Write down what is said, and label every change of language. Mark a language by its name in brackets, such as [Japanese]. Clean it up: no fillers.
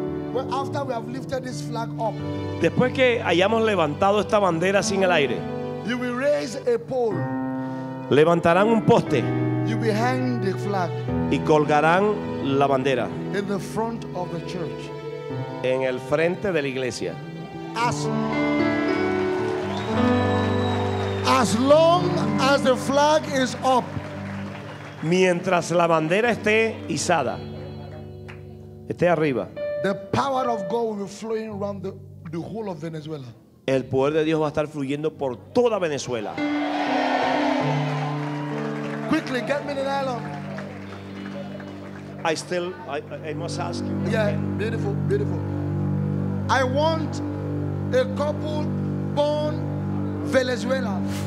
[English] Well, after we have lifted this flag up, [Spanish] después que hayamos levantado esta bandera sin el aire, [English] you will raise a pole. [Spanish] Levantarán un poste. [English] You will hang the flag. [Spanish] Y colgarán la bandera. [English] In the front of the church. [Spanish] En el frente de la iglesia. [English] As long as the flag is up. [Spanish] Mientras la bandera esté izada, esté arriba, [English] the power of God will be flowing around the whole of Venezuela. [Spanish] El poder de Dios va a estar fluyendo por toda Venezuela. [English] Quickly, get me the nylon. I must ask you. Yeah, beautiful, beautiful. I want a couple born Venezuela.